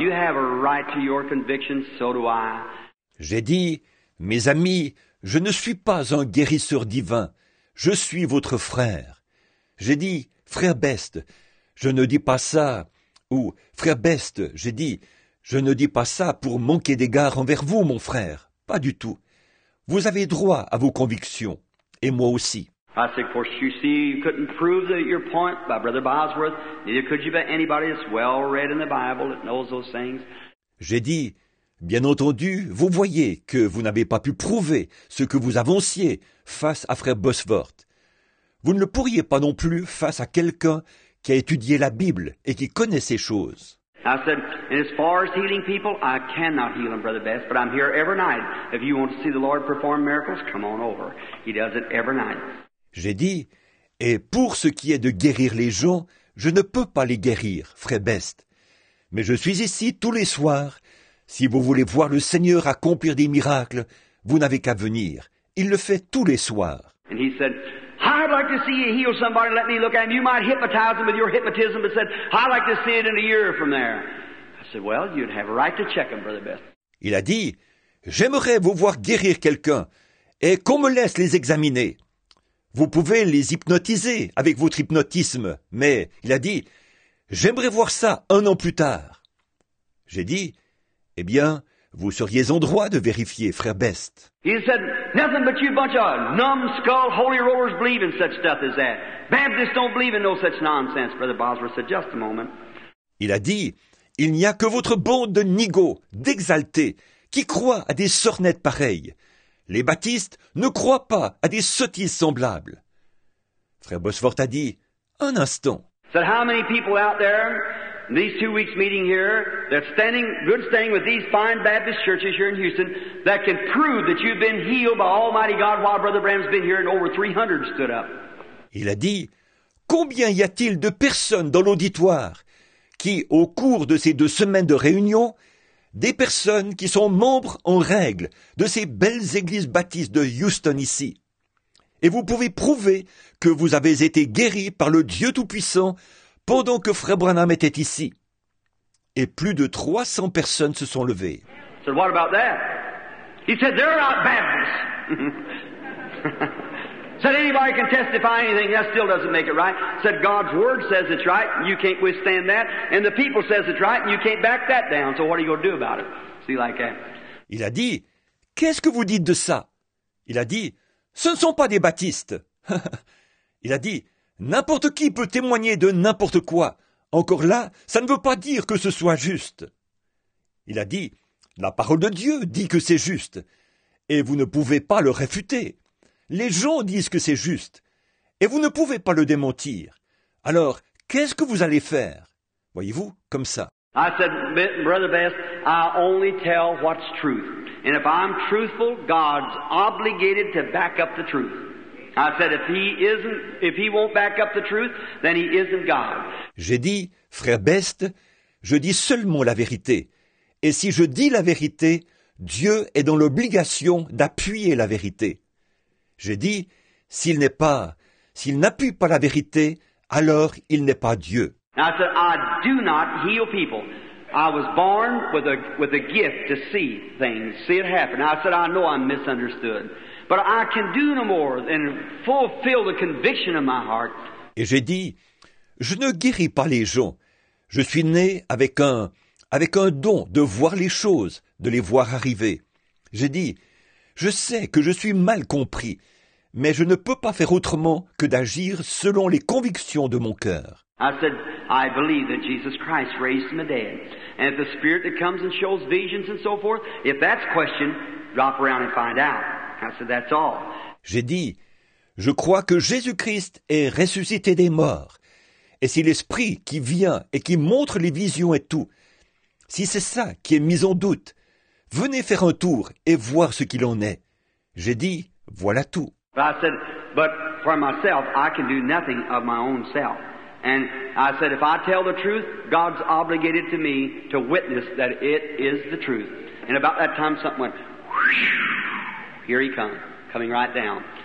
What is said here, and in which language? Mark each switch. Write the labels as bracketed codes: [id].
[en] You have a right to your convictions, so do I. [fr] J'ai dit, mes amis, je ne suis pas un guérisseur divin, je suis votre frère. J'ai dit, frère Best, je ne dis pas ça, ou frère Best, j'ai dit, je ne dis pas ça pour manquer d'égard envers vous, mon frère, pas du tout. Vous avez droit à vos convictions, et moi aussi. [en] I said, of course, you see, you couldn't prove your point by Brother Bosworth, neither could you by anybody that's well read in the Bible that knows those things. [fr] J'ai dit, bien entendu, vous voyez que vous n'avez pas pu prouver ce que vous avanciez face à frère Bosworth. Vous ne le pourriez pas non plus face à quelqu'un qui a étudié la Bible et qui connaît ces choses. [en] I said, and as far as healing people, I cannot heal them, Brother Best, but I'm here every night. If you want to see the Lord perform miracles, come on over. He does it every night. [fr] J'ai dit, et pour ce qui est de guérir les gens, je ne peux pas les guérir, frère Best. Mais je suis ici tous les soirs. Si vous voulez voir le Seigneur accomplir des miracles, vous n'avez qu'à venir. Il le fait tous les soirs. [en] And he said, I'd like to see you heal somebody, let me look at him. You might hypnotize him with your hypnotism, but said, I'd like to see it in a year from there. I said, well, you'd have a right to check him, Brother Best. [fr] Il a dit, j'aimerais vous voir guérir quelqu'un, et qu'on me laisse les examiner. Vous pouvez les hypnotiser avec votre hypnotisme, mais il a dit, j'aimerais voir ça un an plus tard. J'ai dit, eh bien, vous seriez en droit de vérifier, frère Best. [en] He said, nothing but you bunch of numbskull holy rollers believe in such stuff as that. Baptists don't believe in no such nonsense, Brother Bosworth said, just a moment. [fr] Il a dit, il n'y a que votre bande de nigauds, d'exaltés, qui croient à des sornettes pareilles. Les baptistes ne croient pas à des sottises semblables. Frère Bosworth a dit, un instant. [en] So how many people out there, in these 2 weeks meeting here, that's standing, good standing with these fine Baptist churches here in Houston, that can prove that you've been healed by Almighty God while Brother Branham's been here and over 300 stood up. [fr] Il a dit, combien y a-t-il de personnes dans l'auditoire qui, au cours de ces 2 semaines de réunion, des personnes qui sont membres en règle de ces belles églises baptistes de Houston ici. Et vous pouvez prouver que vous avez été guéri par le Dieu Tout-Puissant pendant que frère Branham était ici. Et plus de 300 personnes se sont levées. [en] I said, what about that? He said, they're not Baptists. Said, anybody can testify anything, that still doesn't make it right. Said, God's word says it's right, and you can't withstand that. And the people says it's right, and you can't back that down. So what are you going to do about it? See like that. [fr] Il a dit, qu'est-ce que vous dites de ça? Il a dit, ce ne sont pas des baptistes. Il a dit, n'importe qui peut témoigner de n'importe quoi. Encore là, ça ne veut pas dire que ce soit juste. Il a dit, la parole de Dieu dit que c'est juste, et vous ne pouvez pas le réfuter. Les gens disent que c'est juste, et vous ne pouvez pas le démentir. Alors, qu'est-ce que vous allez faire? Voyez-vous, comme ça. [en] I said, Brother Best, I only tell what's truth. And if I'm truthful, God's obligated to back up the truth. I said, if he won't back up the truth, then he isn't God. [fr] J'ai dit, frère Best, je dis seulement la vérité. Et si je dis la vérité, Dieu est dans l'obligation d'appuyer la vérité. J'ai dit, s'il n'appuie pas la vérité, alors il n'est pas Dieu. [en] I said, I do not heal people. I was born with a gift to see things, see it happen. I said, I know I'm misunderstood, but I can do no more than fulfill the conviction of my heart. [fr] Et j'ai dit, je ne guéris pas les gens. Je suis né avec avec un don de voir les choses, de les voir arriver. J'ai dit, je sais que je suis mal compris, mais je ne peux pas faire autrement que d'agir selon les convictions de mon cœur. [en] I said, I believe that Jesus Christ raised from the dead. And if the spirit that comes and shows visions and so forth, if that's question, drop around and find out. I said, that's all. [fr] J'ai dit, je crois que Jésus-Christ est ressuscité des morts. Et si l'Esprit qui vient et qui montre les visions et tout, si c'est ça qui est mis en doute, venez faire un tour et voir ce qu'il en est. J'ai dit, voilà tout. [en] But I said, but for myself, I can do nothing of my own self. And I said, if I tell the truth, God's obligated to me to witness that it is the truth. And about that time, something went, whoosh, here he comes, coming right down.